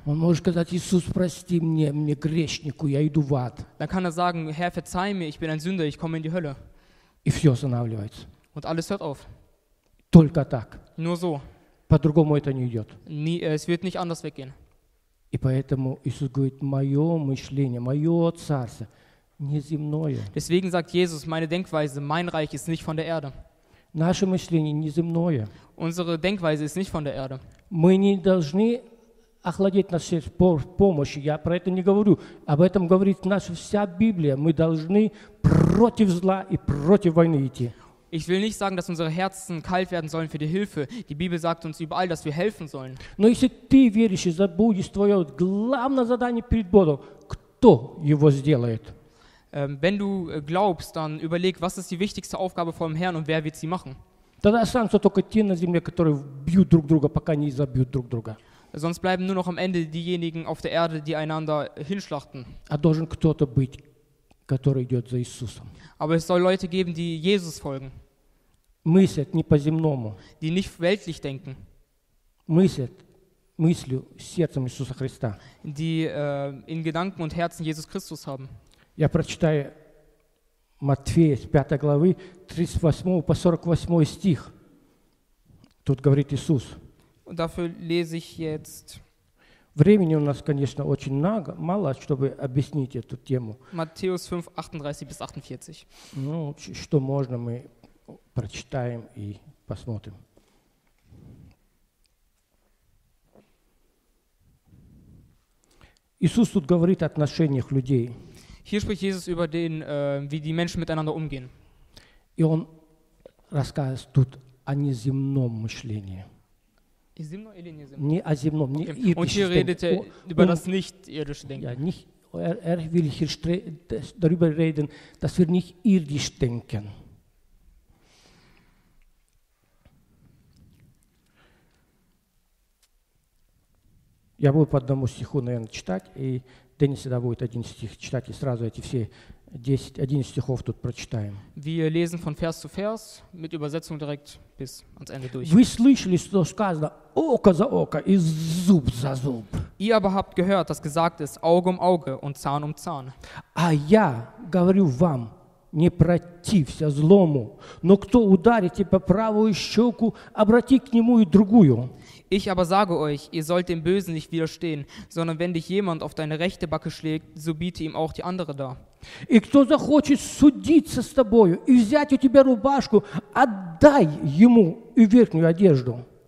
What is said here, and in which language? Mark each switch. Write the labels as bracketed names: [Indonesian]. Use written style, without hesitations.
[Russian] Он может сказать: Иисус, прости мне, мне грешнику, я иду в ад. [German] Dann kann er sagen: Herr, verzeih mir, ich bin ein Sünder, ich komme in die Hölle. [Russian] И все останавливается. [German] Und alles hört auf. [Russian] Только так. [German] Nur so. [Russian] По-другому это не идет. [German] Es wird nicht anders weggehen. [Russian] И поэтому Иисус говорит: мое мышление, мое царство не земное. [German] Deswegen sagt Jesus: meine Denkweise, mein Reich ist nicht von der Erde. [Russian] Наше мышление не земное. [German] Unsere Denkweise ist nicht von der Erde. [Russian] Мы не должны охладеть наше помощи. Я про это не говорю. Об этом говорит наша вся Библия. Мы должны против зла и против войны идти. [German] Ich will nicht sagen, dass unsere Herzen kalt werden sollen für die Hilfe. Die Bibel sagt uns überall, dass wir helfen sollen. [Russian] Но если ты веришь и забудешь твое главное задание перед Богом, кто его сделает? [German] Wenn du glaubst, dann überleg, was ist die wichtigste Aufgabe vom Herrn und wer wird sie machen? [Russian] Тогда останутся только те на земле, которые бьют друг друга, пока не забьют друг друга. [German] Sonst bleiben nur noch am Ende diejenigen auf der Erde, die einander hinschlachten. Aber es soll Leute geben, die Jesus folgen. [Russian] Мыслят не по-земному. [German] Die nicht weltlich denken. [Russian] Мыслят мыслью сердцем Иисуса Христа. [German] Die in Gedanken und Herzen Jesus Christus haben. [Russian] Я прочитаю Матфея, 5 главы, 38 по 48 стих. Тут говорит Иисус. [German] Und dafür lese ich jetzt. [Russian] Времени у нас, конечно, очень мало, чтобы объяснить эту тему. [German] Matthäus 5, 38 bis 48. [Russian] Ну, что можно мы прочитаем и посмотрим. Иисус тут говорит о отношениях людей. [German] Hier spricht Jesus über den, wie die Menschen miteinander umgehen. [Russian] И он рассказывает тут о неземном мышлении. Земном или неземном? Не о земном, не okay. [German] Und hier redet er über das nicht irdische Denken. Ja, nicht, er will hier darüber reden, dass wir nicht irdisch denken. [Russian] Я буду по одному стиху, наверное, читать, и Денис всегда будет один стих читать, и сразу эти все 10, 11 стихов тут прочитаем. [German] Wir lesen von Vers zu Vers, mit Übersetzung direkt bis ans Ende durch. [Russian] Вы слышали, что сказано око за око и зуб за зуб. [German] Ihr aber habt gehört, dass gesagt ist, Auge um Auge und Zahn um Zahn. [Russian] А я говорю вам, не противься злому, но кто ударит тебя по правую щеку, обрати к нему и другую. [German] Ich aber sage euch, ihr sollt dem Bösen nicht widerstehen, sondern wenn dich jemand auf deine rechte Backe schlägt, so biete ihm auch die andere dar. [Russian] И кто захочет судиться с тобою и взять у тебя рубашку, отдай ему и верхнюю одежду.